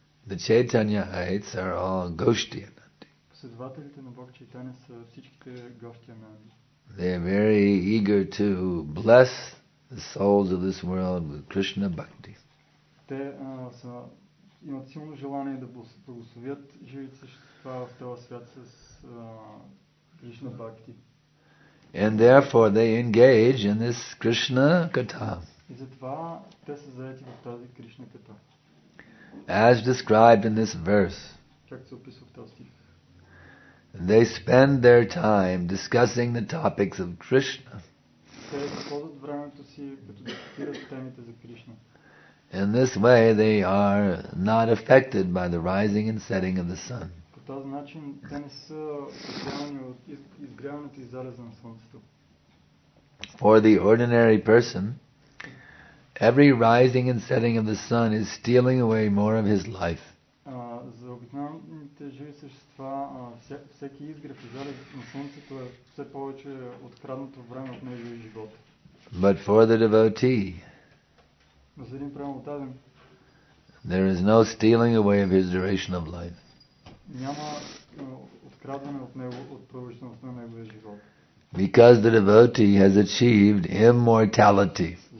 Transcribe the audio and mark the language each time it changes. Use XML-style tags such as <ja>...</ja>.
<en>The Chaitanyaites are all Гошти Ананди.</en> <bg>Следователите на Бог Чайтанья са всичките Гошти Ананди.</bg> <en>They are very eager to bless the souls of this world with Krishna Bhakti.</en> <bg>Те имат силно желание да благословят живите същества в този свят с Кришна Бхакти.</bg> <en>And therefore they engage in this Krishna Katha.</en> <bg>И затова те са заети в тази Кришна Ката.</bg> <en>As described in this verse.</en> <bg>Както се описва в този стих.</bg> <en>They spend their time discussing the topics of Krishna.</en> <bg>Те използват времето си, като дискутират темите за Кришна.</bg> <en>In this way they are not affected by the rising and setting of the sun.</en> <bg>По този начин те не са отделени от изгряването и залеза на слънцето.</bg> <en>For the ordinary person, every rising and setting of the sun is stealing away more of his life.</en> <bg>За обикновените живи същества, всеки изгрев и залез на слънцето е все повече откраднато време от неговия живот.</bg> <en>But for the devotee,</en> <bg>за един правилотаден,</bg> <en>there is no stealing away of his duration of life.</en> <bg>Няма открадване от него, от продължителност на неговия живот.</bg> <en>Because the devotee has achieved immortality.</en>